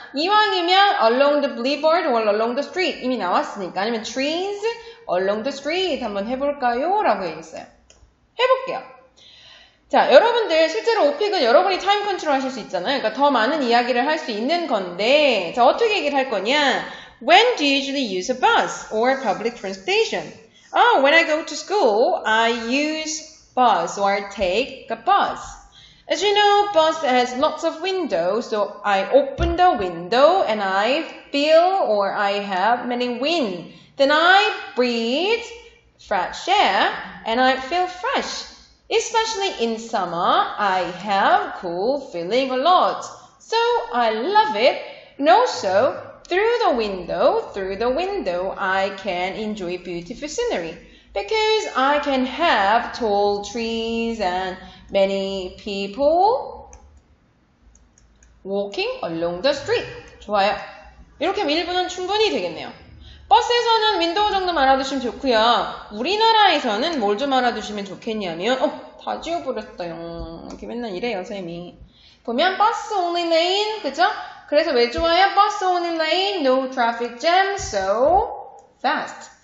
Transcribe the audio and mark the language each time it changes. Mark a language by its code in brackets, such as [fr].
[ko] 이왕이면 [en] along the billboard or along the street [ko] 이미 나왔으니까. 아니면 [en] trees along the street [ko] 한번 해볼까요? 라고 얘기했어요. 해볼게요. 자, 여러분들, 실제로 오픽은 여러분이 타임 컨트롤 하실 수 있잖아요. 그러니까 더 많은 이야기를 할수 있는 건데, 자, 어떻게 얘기를 할 거냐? [en] When do you usually use a bus or public transportation? Oh, when I go to school, I use bus or take a bus. As you know, bus has lots of windows, so I open the window and I feel or I have many wind. Then I breathe fresh air and I feel fresh. Especially in summer, I have cool feeling a lot. So I love it and also Through the window, I can enjoy beautiful scenery. Because I can have tall trees and many people walking along the street. [ko] 좋아요. 이렇게 하면 1분은 충분히 되겠네요. 버스에서는 윈도우 정도만 알아두시면 좋고요. 우리나라에서는 뭘좀 알아두시면 좋겠냐면, 다 지워버렸어요. 이렇게 맨날 이래요, 선생님이. 보면 버스 [en] only lane, [ko] 그죠? 그래서 왜 좋아요? [en] Bus only lane, no traffic jam, so fast.